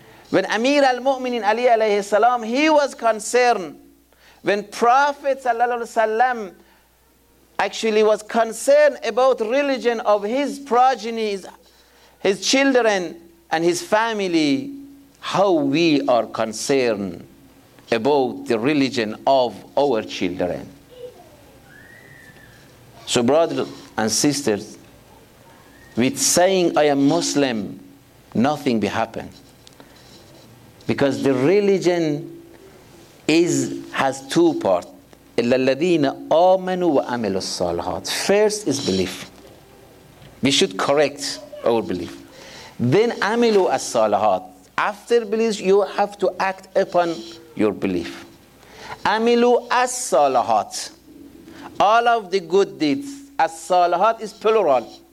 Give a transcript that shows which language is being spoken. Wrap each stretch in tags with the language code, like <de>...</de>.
<en>when Amir al-Mu'minin Ali alayhi salam, he was concerned, when Prophet sallallahu alayhi salam actually was concerned about religion of his progeny, his children and his family, how we are concerned about the religion of our children. So brothers and sisters, with saying I am Muslim, nothing will happen. Because the religion has two parts.</en> <ar>إِلَّا الَّذِينَ آمَنُوا وَأَمِلُوا الصَّالِحَاتِ</ar> <en>First is belief. We should correct our belief. Then</en> <ar>أَمِلُوا الصَّالِحَاتِ</ar> <en>After belief, you have to act upon your belief.</en> <ar>أَمِلُوا الصَّالِحَاتِ</ar> <en>All of the good deeds. الصَّالِحَاتِ is plural.</en>